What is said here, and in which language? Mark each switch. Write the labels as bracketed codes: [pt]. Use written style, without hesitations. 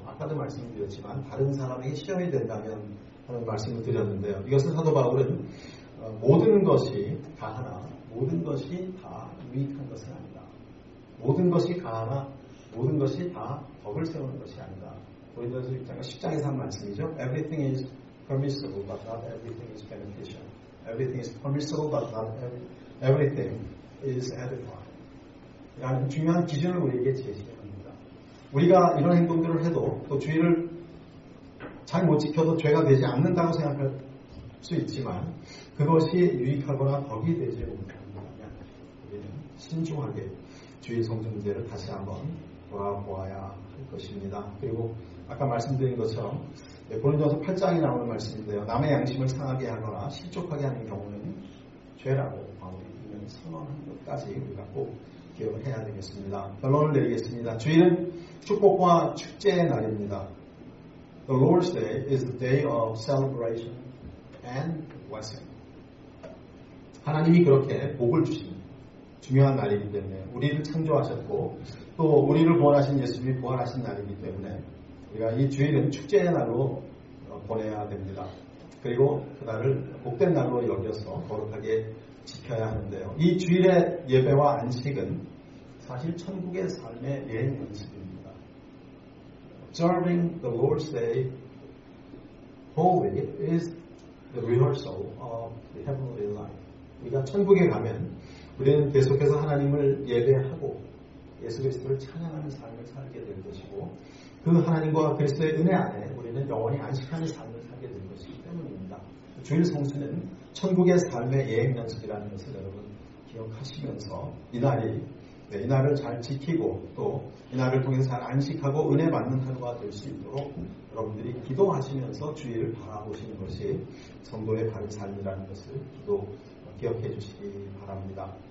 [ko] 아까도 말씀드렸지만 다른 사람에게 시험이 된다면 하는 말씀을 드렸는데요. 이것은 사도 바울은 모든 것이 다 하나, 모든 것이 다 유익한 것은 아니다. 모든 것이 다 하나, 모든 것이 다 덕을 세우는 것이 아니다. 고린도전서 1장 10장에서 한 말씀이죠. [en] Everything is permissible, but not everything is beneficial. Everything is permissible, but not everything is edifying. [ko] 라는 중요한 기준을 우리에게 제시합니다. 우리가 이런 행동들을 해도 또 주의를 잘 못 지켜도 죄가 되지 않는다고 생각할 수 있지만 그것이 유익하거나 덕이 되지 못한다면 우리는 신중하게 주의 성전제를 다시 한번 돌아보아야 할 것입니다. 그리고 아까 말씀드린 것처럼 고린도서 8장에 나오는 말씀인데요. 남의 양심을 상하게 하거나 실족하게 하는 경우는 죄라고 바울은 선언한 것까지 우리가 꼭 기억을 해야 되겠습니다. 결론을 내리겠습니다. 주일은 축복과 축제의 날입니다. [en] The Lord's Day is the day of celebration and blessing. [ko] 하나님이 그렇게 복을 주신 중요한 날이기 때문에 우리를 창조하셨고 또 우리를 구원하신 예수님이 부활하신 날이기 때문에 우리가 이 주일은 축제의 날로 보내야 됩니다. 그리고 그 날을 복된 날로 여겨서 거룩하게 지켜야 하는데요. 이 주일의 예배와 안식은 사실 천국의 삶의 예행 원칙입니다. [en] Observing the Lord's Day holy is the rehearsal of the heavenly life. [ko] 우리가 천국에 가면 우리는 계속해서 하나님을 예배하고 예수 그리스도를 찬양하는 삶을 살게 될 것이고 그 하나님과 그리스도의 은혜 안에 우리는 영원히 안식하는 삶을 살게 된 것이기 때문입니다. 주일 성수는 천국의 삶의 예행 연습이라는 것을 여러분 기억하시면서 이 날을 잘 지키고 또 이 날을 통해서 잘 안식하고 은혜 받는 하루가 될 수 있도록 여러분들이 기도하시면서 주일을 바라보시는 것이 성도의 바른 삶이라는 것을 기억해 주시기 바랍니다.